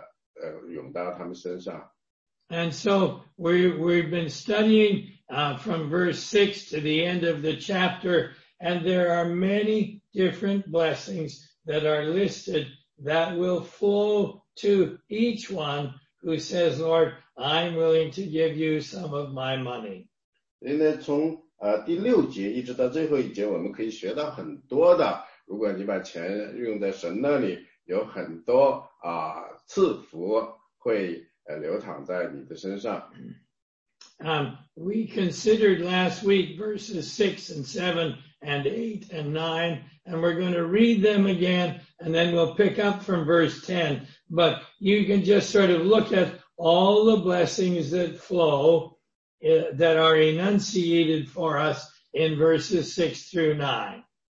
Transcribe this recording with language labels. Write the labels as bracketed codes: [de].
[zh] 所以呢，他就说呢，这里讲到的呢，如果那些人把钱用在神的里面，他们会有很多的赐福涌到他们身上。 [en] And so we've been studying from verse 6 to the end of the chapter, and there are many different blessings that are listed that will flow to each one who says, Lord, I'm willing to give you some of my money. [zh] 因为从第六节一直到最后一节，我们可以学到很多的。如果你把钱用在神那里，有很多赐福会流淌在你的身上。 [en] We considered last week verses 6 and 7 and 8 and 9, and we're going to read them again, and then we'll pick up from verse 10. But you can just sort of look at all the blessings that flow that are enunciated for us in verses 6 through 9.